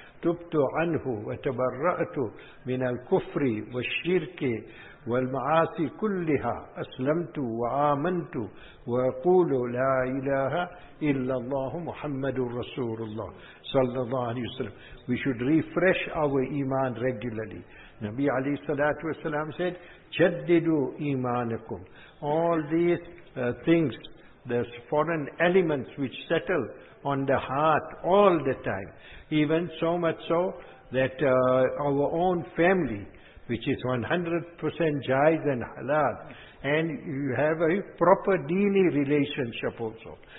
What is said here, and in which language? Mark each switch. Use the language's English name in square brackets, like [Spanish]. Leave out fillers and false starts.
[Arabic] Tubtu anhu wa tabarra'tu min al-kufri wa shirki والمعاصي كلها أسلمت وآمنت وأقول لا إله إلا الله محمد رسول الله صلى الله عليه وسلم. [English] We should refresh our iman regularly. Nabi عليه الصلاة والسلام said, [Arabic] جددوا إيمانكم. [English] All these things, these foreign elements which settle on the heart all the time, even so much so that our own family, which is 100% jais and halal, and you have a proper dini relationship also.